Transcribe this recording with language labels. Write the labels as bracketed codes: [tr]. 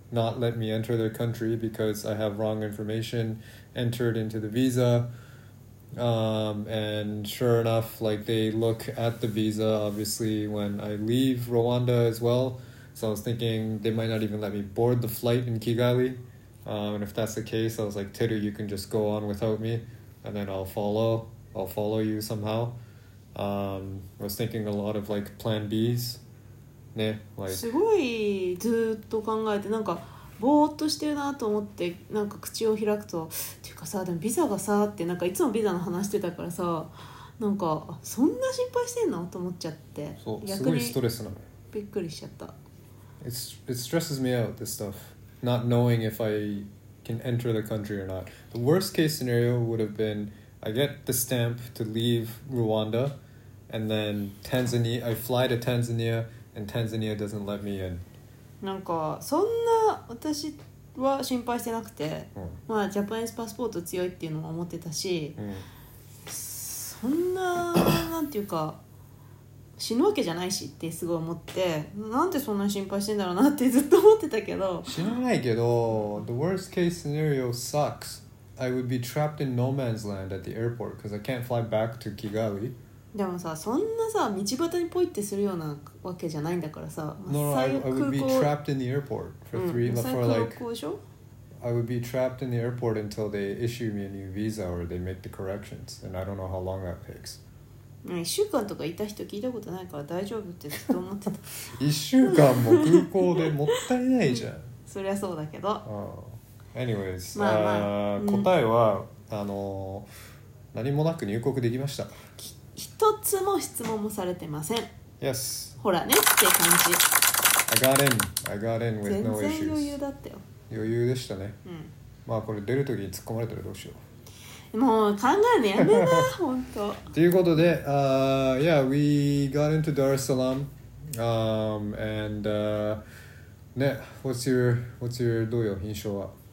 [en] not let me enter their country because I have wrong information entered into the visa、and sure enough, like, they look at the visa obviously when I leave Rwanda as well, so I was thinking they might not even let me board the flight in Kigali、and if that's the case, I was like, Tedu, you can just go on without me and then I'll follow you somehow、I was thinking a lot of like plan B'sね、like、 [ja] すごいずっと考えて、なんかぼーっとしてるなと思って、なんか口を開くとっていうかさ、でもビザがさって、なんかいつもビザの話してたからさ、なんかそんな心配してんのと思っちゃって、そう、すごいストレスなの、びっくりしちゃった。 [en] It stresses me out, this stuff, not knowing if I can enter the country or not. The worst case scenario would have been I get the stamp to leave Rwanda and then Tanzania, I fly to TanzaniaAnd Tanzania doesn't let me in. [ja] なんかそんな私は心配してなくて、うん、まあジャパニーズパスポート強いっていうのも思ってたし、うん、そんななんていうか死ぬわけじゃないしってすごい思って、なんでそんなに心配してんだろうなってずっと思ってたけど、死なないけど [en] the worst case scenario sucks. I would be trapped in no man's land at the airport because I can't fly back to Kigali. [ja] でもさ、そんなさ道端にポイってするようなわけじゃないんだからさ、 [en] no, no, [ja] 最悪空港 [en] I would be trapped in the airport for three、うん、for like I would be trapped in the airport until they issue me a new visa or they make the corrections and I don't know how long that takes、 [ja] ね、1週間とかいた人聞いたことないから大丈夫ってずっと思ってた 1週間も空港でもったいないじゃんそりゃそうだけど、 anyways、まあまあ、答えは、うん、何もなく入国できました。一つも質問もされてません。 [en] Yes. [ja] ほらねって感じ。 [en] I got in with no issues. [ja] 全然余裕だったよ。余裕でしたね。うん。まあこれ出るときに突っ込まれたらどうしよう。もう考えるのやめな、本当。ということで、 [en] yeah, we got into Dar es Salaam, and, ね、what's your [ja] どうよ、印象は。